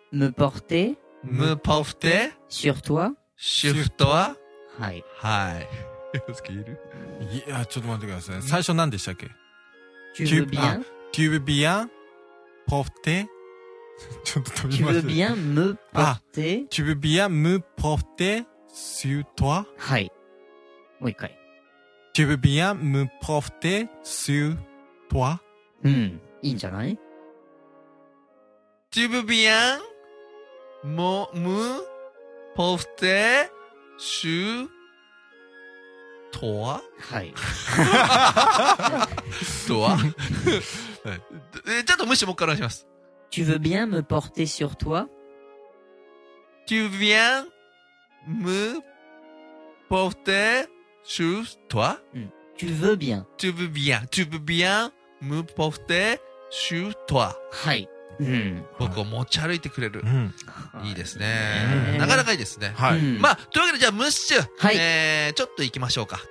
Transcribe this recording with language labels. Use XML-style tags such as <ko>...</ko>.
<fr>Me porter Me porter Sur toi Sur toi</fr> <ja>はい、はい、好きいる、いや、ちょっと待ってください、最初何でしたっけ。</ja> <fr>Tu veux bien, tu veux bien porter,</fr> <ja>ちょっと飛びました。</ja> <fr>Tu veux bien me porter, tu veux bien me porter sur toi?</fr> <ja>はい。もう一回。</ja> <fr>Tu veux bien me porter sur toi?</fr> <ja>うん。いいんじゃない？</ja> <fr>Tu veux bien me porter sur</fr> <ja>とは、はい。とは、ちょっとむしろもう一回お願いします。</ja> <fr>Tu veux bien me porter sur toi? Tu viens me porter sur toi? Tu veux bien. Tu veux bien. Tu veux bien me porter sur toi?</fr> <ja>はい。うん、僕を持ち歩いてくれる、うん、いいですね、なかなかいいですね、はい、まあ、というわけでじゃあムッシュ、はい、ちょっと行きましょうか。</ja>